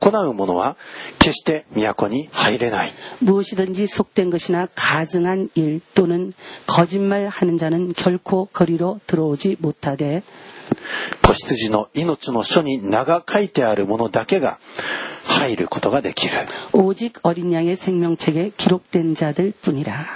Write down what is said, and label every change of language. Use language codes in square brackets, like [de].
[ja] しかし全て汚れた者や憎むべきことと偽りとを行う者は決して都に入れない。 [ko] 무엇이든지 속된 것이나 가증한 일 또는 거짓말하는 자는 결코 거리로 들어오지 못하되 [ja] 子羊の命の書に名が書いてある者だけが入ることができる。 [ko] 오직 어린 양의 생명책에 기록된 자들 뿐이라.